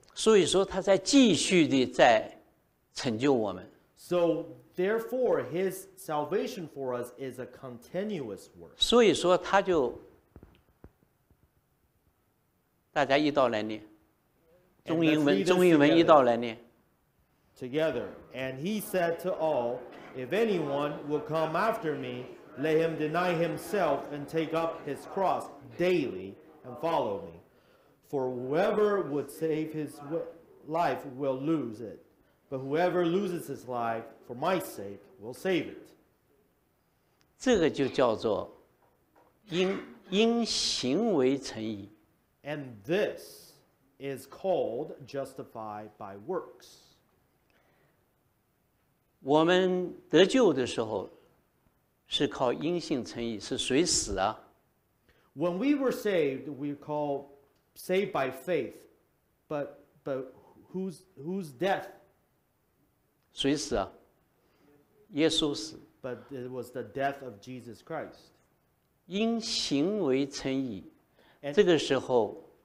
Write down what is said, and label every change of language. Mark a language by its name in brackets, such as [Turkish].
[Chinese] 所以说他在继续的在成就我们。 [English] So therefore, his salvation for us is a continuous work. [Chinese] 所以说他就大家一道来念，中英文一道来念。 [English] Together, and he said to all, "If anyone will come after me, let him deny himself and take up his cross daily and follow me. For whoever would save his life will lose it, but whoever loses his life for my sake will save it." [Chinese] 这个就叫做因行为称义。 [English] And this is called justified by works. [Chinese] 我们得救的时候是靠因信称义，是随死啊。 [English] When we were saved, we were called saved by faith. But whose death? [Chinese] 随死啊，耶稣死。 [English] But it was the death of Jesus Christ. [Chinese] 因行为称义，这个时候。